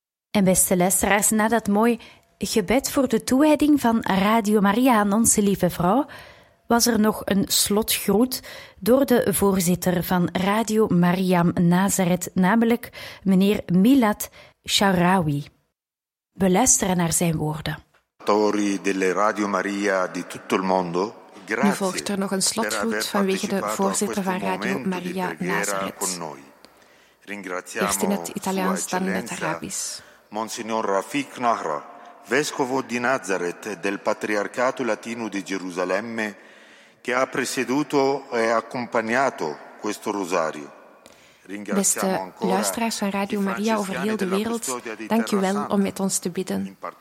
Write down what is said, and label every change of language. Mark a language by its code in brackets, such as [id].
[nl] En beste luisteraars, na dat mooie gebed voor de toewijding van Radio Maria aan Onze Lieve Vrouw, was er nog een slotgroet door de voorzitter van Radio Mariam Nazareth, namelijk meneer Milad Chaouraoui. We luisteren naar zijn woorden. [it] Tori delle Radio Maria di tutto il mondo. [nl] Nu volgt er nog een slotgroet vanwege de voorzitter van Radio Maria Nazareth. Eerst in het Italiaans, dan in het Arabisch. [it] Monsignor Rafik Nahra, vescovo di Nazareth del Patriarcato Latino di Gerusalemme, che ha presieduto e accompagnato questo rosario. [nl] Beste luisteraars van Radio Maria over heel de wereld, dank u wel om met ons te bidden.